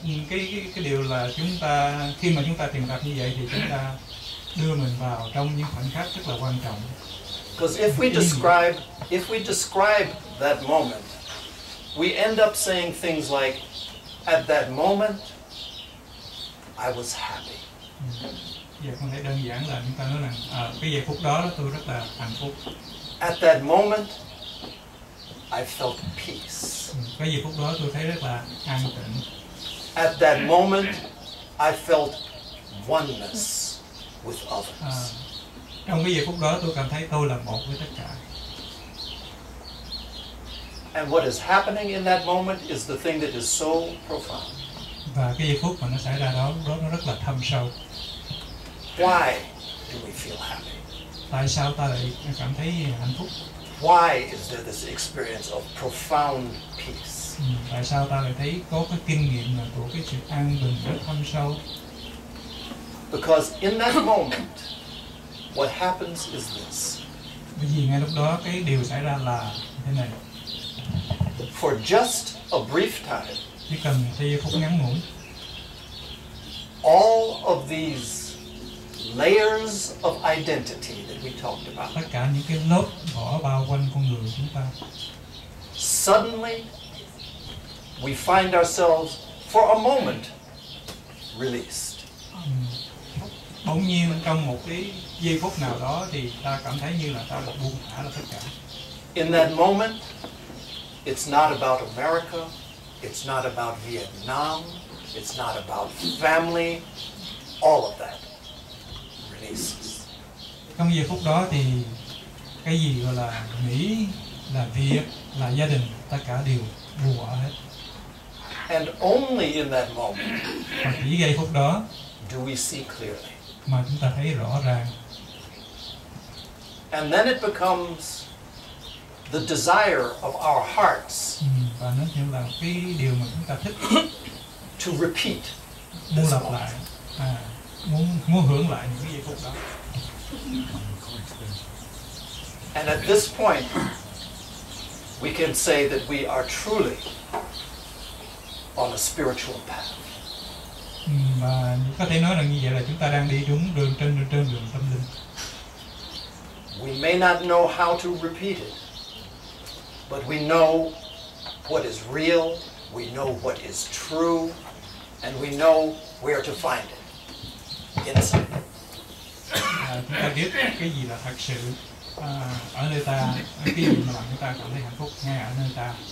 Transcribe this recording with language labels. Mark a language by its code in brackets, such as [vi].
[vi] Cái điều là chúng ta khi mà chúng ta thiền tập như vậy thì chúng ta đưa mình vào trong những khoảnh khắc rất là quan trọng. [en] Because if we describe that moment, we end up saying things like, at that moment, I was happy. [vi] Yeah, không thể đơn giản là chúng ta nói rằng, cái giây phút đó tôi rất là hạnh phúc. [en] At that moment, I felt peace. [vi] Cái giây phút đó tôi thấy rất là an tĩnh. [en] At that moment, I felt oneness with others. [vi] Trong cái giây phút đó tôi cảm thấy tôi là một với tất cả. [en] And what is happening in that moment is the thing that is so profound. [vi] Và cái giây phút mà nó xảy ra đó, nó rất là thâm sâu. [en] Why do we feel happy? [vi] Tại sao ta lại cảm thấy hạnh phúc? [en] Why is there this experience of profound peace? [vi] Tại sao ta lại thấy có cái kinh nghiệm là của cái sự an bình rất thâm sâu? [en] Because in that moment, what happens is this. [vi] Bởi vì ngay lúc đó cái điều xảy ra là thế này. [en] For just a brief time, [vi] chỉ cần một giây phút ngắn ngủi, [en] all of these layers of identity that we talked about, [vi] tất cả những cái lớp vỏ bao quanh con người chúng ta, [en] suddenly we find ourselves for a moment released. [vi] Bỗng nhiên trong một cái giây phút nào đó thì ta cảm thấy như là ta được buông thả là tất cả. [en] In that moment, it's not about America, it's not about Vietnam, it's not about family, all of that releases. [vi] Trong giây phút đó thì cái gì gọi là Mỹ, là Việt, là gia đình, tất cả đều buông bỏ hết. [en] And only in that moment, [vi] và chỉ giây phút đó, [en] do we see clearly. [vi] Mà chúng ta thấy rõ ràng. [en] And then it becomes the desire of our hearts. [vi] Và nó như là cái điều mà chúng ta thích. [en] To repeat. [vi] Muốn lặp lại. Muốn hưởng lại những cái giây phút đó. [en] And at this point, we can say that we are truly on a spiritual path. [vi] Và có thể nói rằng như vậy là chúng ta đang đi đúng đường trên đường tâm linh. [en] We may not know how to repeat it, but we know what is real, we know what is true, and we know where to find it. Inside. [vi] chúng ta biết cái gì là thật sự ở nơi ta, cái gì mà làm chúng ta cảm thấy hạnh phúc ngay ở nơi ta.